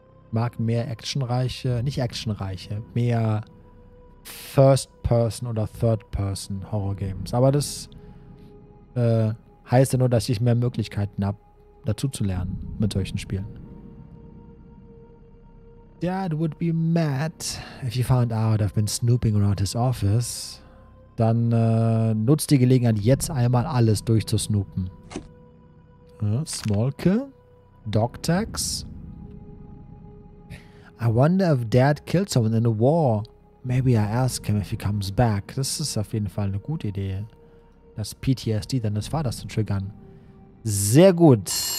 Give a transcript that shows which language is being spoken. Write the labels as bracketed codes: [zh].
[de] Mag mehr actionreiche, nicht actionreiche, mehr First-Person- oder Third-Person-Horror-Games. Aber das heißt ja nur, dass ich mehr Möglichkeiten hab, dazu zu lernen mit solchen Spielen. [en] Dad would be mad if he found out I've been snooping around his office. [de] Dann nutzt die Gelegenheit, jetzt einmal alles durchzusnoopen. [en] Smolke. Dog tags. I wonder if Dad killed someone in a war. Maybe I ask him if he comes back. [de] Das ist auf jeden Fall eine gute Idee. Das PTSD deines Vaters zu triggern. Sehr gut.